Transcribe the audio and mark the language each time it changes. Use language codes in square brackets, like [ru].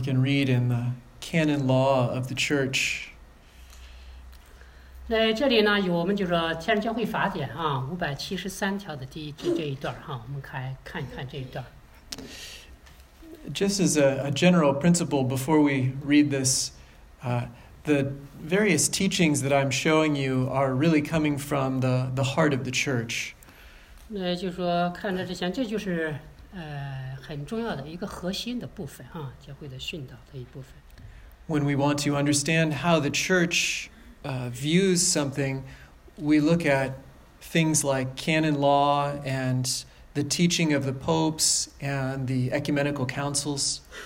[en] we can read in the canon law of the church. [zh] 那这里呢，有我们就是天主教会法典啊，573条的第一这一段哈，我们看一看这一段。 [en] Just as a general principle, before we read this, the various teachings that I'm showing you are really coming from the heart of the church. [zh] 那就说看着这些，这就是很重要的一个核心的部分啊，教会的训导的一部分。 [en] When we want to understand how the church views something, we look at things like canon law and the teaching of the popes and the ecumenical councils.